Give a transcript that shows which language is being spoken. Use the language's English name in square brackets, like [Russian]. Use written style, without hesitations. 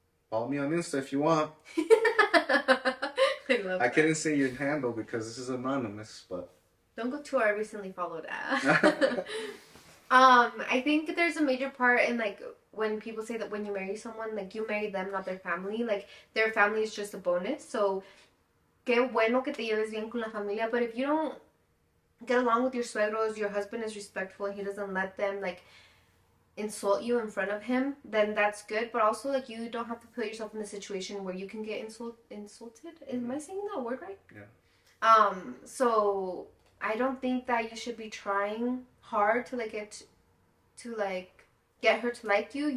[English] Follow me on Insta if you want. I couldn't say your handle because this is anonymous, but don't go to our recently followed ad. I think there's a major part in, like, when people say that when you marry someone, like, you marry them, not their family. Like, their family is just a bonus. So, [Spanish] qué bueno que te lleves bien con la familia. [English] But if you don't get along with your suegros, your husband is respectful, he doesn't let them, like, insult you in front of him, then that's good. But also, like, you don't have to put yourself in a situation where you can get insulted. Mm-hmm. Am I saying that word right? Yeah. So, I don't think that you should be trying hard to, like, get her to like you.